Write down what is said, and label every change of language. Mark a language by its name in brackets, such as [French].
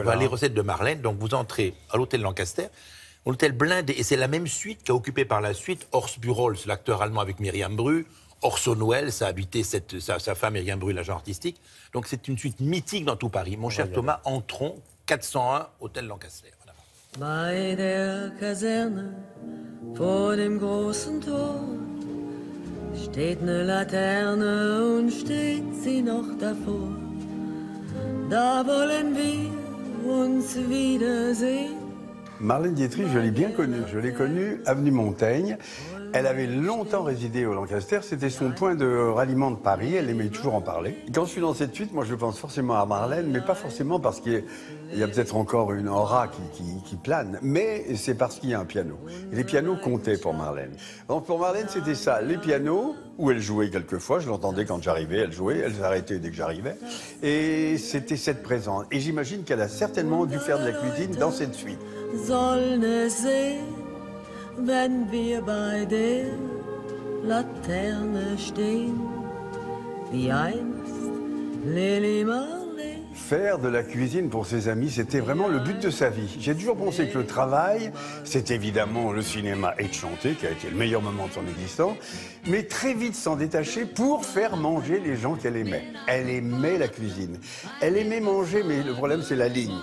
[French] alors, les recettes de Marlène, donc vous entrez à l'hôtel Lancaster. L'hôtel blindé, et c'est la même suite qu'a occupé par la suite Horst Bürholz, l'acteur allemand avec Myriam Bru. Orson Welles a habité sa femme, Myriam Bru, l'agent artistique. Donc c'est une suite mythique dans tout Paris. Mon cher Thomas, entrons, 401, Hôtel Lancaster. Voilà. [German] Bei der Kaserne, vor dem großen Tor, steht ne Laterne und steht sie noch davor. Da wollen wir uns wiedersehen. [French] Marlène Dietrich, je l'ai bien connue. Je l'ai connue, avenue Montaigne. Elle avait longtemps résidé au Lancaster, c'était son point de ralliement de Paris, elle aimait toujours en parler. Quand je suis dans cette suite, moi je pense forcément à Marlène, mais pas forcément parce qu'il y a peut-être encore une aura qui plane, mais c'est parce qu'il y a un piano. Et les pianos comptaient pour Marlène. Donc pour Marlène, c'était ça, les pianos, où elle jouait quelquefois, je l'entendais quand j'arrivais, elle jouait, elle s'arrêtait dès que j'arrivais, et c'était cette présence. Et j'imagine qu'elle a certainement dû faire de la cuisine dans cette suite. [German] Wenn wir bei der Laterne stehen, wie einst Lili Marley. [French] Faire de la cuisine pour ses amis, c'était vraiment le but de sa vie. J'ai toujours pensé que le travail, c'est évidemment le cinéma et de chanter, qui a été le meilleur moment de son existence, mais très vite s'en détacher pour faire manger les gens qu'elle aimait. Elle aimait la cuisine. Elle aimait manger, mais le problème, c'est la ligne.